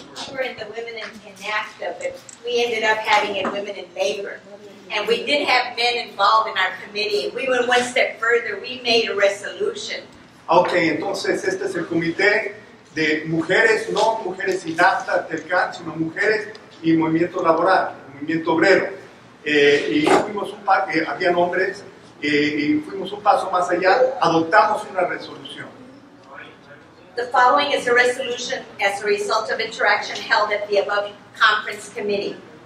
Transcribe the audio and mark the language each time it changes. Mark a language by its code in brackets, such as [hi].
[en] We were at the Women in NAFTA, but we ended up having it Women in Labor. And we did have men involved in our committee. We went one step further. We made a resolution. [es] Okay, entonces este es el comité de mujeres, no mujeres y NAFTA, TELCAN, sino mujeres y movimiento laboral, movimiento obrero. Y fuimos un paso, habían hombres, y fuimos un paso más allá, adoptamos una resolución. [en] The following is a resolution as a result of interaction held at the above conference committee.